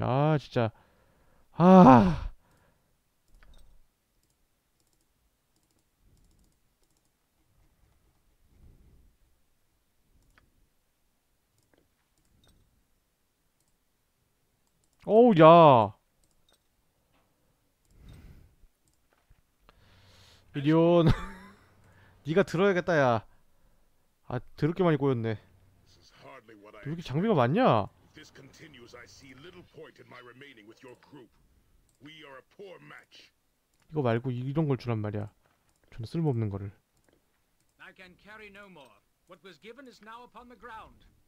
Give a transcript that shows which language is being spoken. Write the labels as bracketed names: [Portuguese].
[Korean] 아 진짜 아 어우 야 미리온 니가 들어야겠다 야 아 들을 게 많이 꼬였네. 왜 이렇게 장비가 많냐? [English] This continues, I see little point in my remaining with your group. We are a poor match. [Korean] 이거 말고 이런 걸 주란 말이야. 좀 쓸모없는 거를. [English] I can carry no more. What was given is now upon the ground.